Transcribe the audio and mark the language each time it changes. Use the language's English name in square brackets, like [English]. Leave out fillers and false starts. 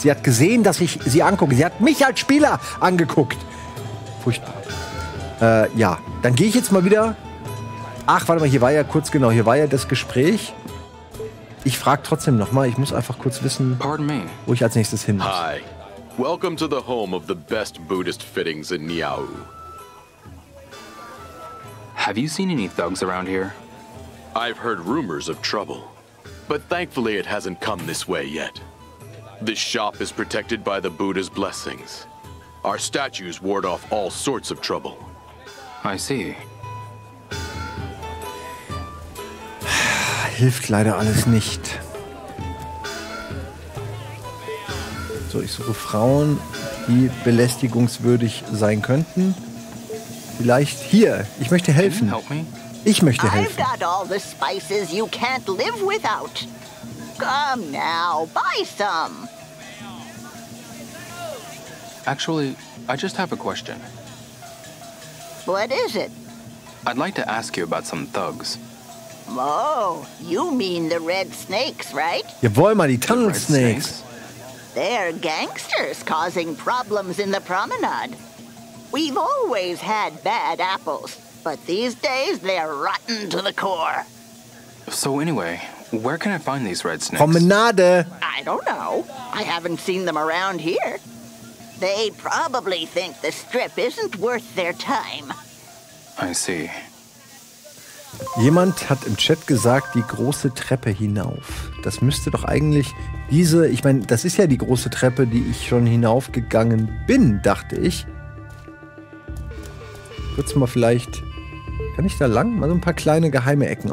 [German] Sie hat gesehen, dass ich sie angucke. Sie hat mich als Spieler angeguckt. Furchtbar. Ja, dann gehe ich jetzt mal wieder. Ach, warte mal, hier war ja das Gespräch. Ich frage trotzdem noch mal. Ich muss einfach kurz wissen, wo ich als nächstes hin muss. [English] Hi. Welcome to the home of the best Buddhist fittings in Niau. Have you seen any thugs around here? I've heard rumors of trouble, but thankfully it hasn't come this way yet. This shop is protected by the Buddha's blessings. Our statues ward off all sorts of trouble. I see. [German] Hilft leider alles nicht. So, ich suche Frauen, die belästigungswürdig sein könnten. Vielleicht hier. Ich möchte helfen. [English] Help me? [German] Ich möchte helfen. [English] I've got all the spices you can't live without. Come now, buy some. Actually, I just have a question. What is it? I'd like to ask you about some thugs. Oh, you mean the red snakes, right? [German] Jawohl, man, die Tunnel Snakes. [English] They're gangsters causing problems in the promenade. We've always had bad apples. But these days, they're rotten to the core. So anyway, where can I find these red snakes? Promenade! I don't know. I haven't seen them around here. They probably think the strip isn't worth their time. I see. [German] Jemand hat im Chat gesagt, die große Treppe hinauf. Das müsste doch eigentlich diese, ich meine, das ist ja die große Treppe, die ich schon hinaufgegangen bin, dachte ich. Kurz mal vielleicht, kann ich da lang? Mal so ein paar kleine geheime Ecken.